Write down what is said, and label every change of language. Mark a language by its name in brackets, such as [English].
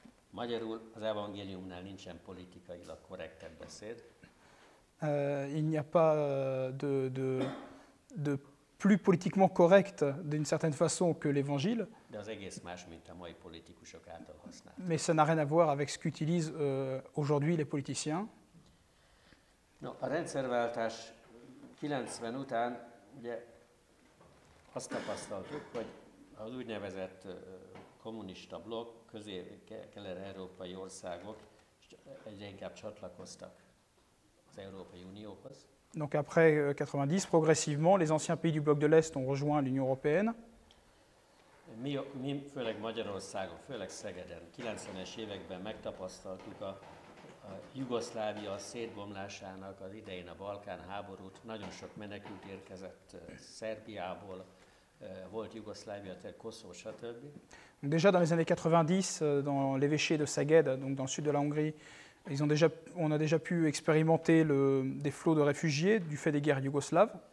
[Hungarian] Magyarul az evangéliumnál nincsen politikailag korrektebb beszéd. [French] Il n'y a pas de plus politiquement correct d'une certaine façon que l'évangile. [Hungarian] De az egész más, mint a mai politikusok által használt. [French] Mais ça n'a rien à voir avec ce qu'utilisent aujourd'hui les politiciens. [Hungarian] No, a rendszerváltás 90 után ugye azt tapasztaltuk, hogy az úgynevezett kommunista blokk, kelet-európai országok egyre inkább csatlakoztak az Európai Unióhoz. [French] Donc après 90, progressivement, les anciens pays du bloc de l'Est ont rejoint l'Union européenne. [Hungarian] Mi főleg Magyarországon, főleg Szegeden, 90-es években megtapasztaltuk a Jugoszlávia szétbomlásának az idején a Balkán háborút. Nagyon sok menekült érkezett Szerbiából, volt Jugoszlávia, tehát Koszó, stb. [French] Déjà dans les années 90, dans l'évêché de Szeged, donc dans le sud de la Hongrie, on a déjà pu expérimenter des flots de réfugiés du fait des guerres yougoslaves.